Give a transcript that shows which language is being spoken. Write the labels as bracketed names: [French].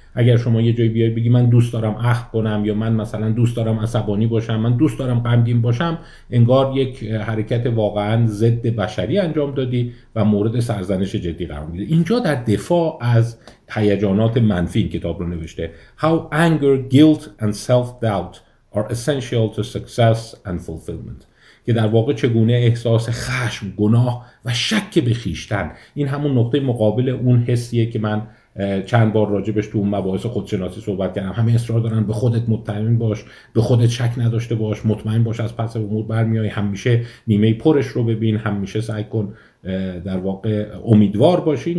[Persian] اگر شما یه جایی بیاید بگی من دوست دارم اخم کنم، یا من مثلا دوست دارم عصبانی باشم، من دوست دارم غمگین باشم، انگار یک حرکت واقعا ضد بشری انجام دادی و مورد سرزنش جدی قرار میده. اینجا در دفاع از هیجانات منفی این کتاب رو نوشته. [English] How anger, guilt and self-doubt are essential to success and fulfillment. [Persian] که در واقع چگونه احساس خشم، گناه و شک به خیشتن، این همون نقطه مقابل اون حسیه که من چند بار راجبش تو اون مباحث خودشناسی صحبت کردم. همه اصرار دارن به خودت مطمئن باش، به خودت شک نداشته باش، مطمئن باش از پس امور برمیای، همیشه نیمه پرش رو ببین، همیشه سعی کن در واقع امیدوار باشی.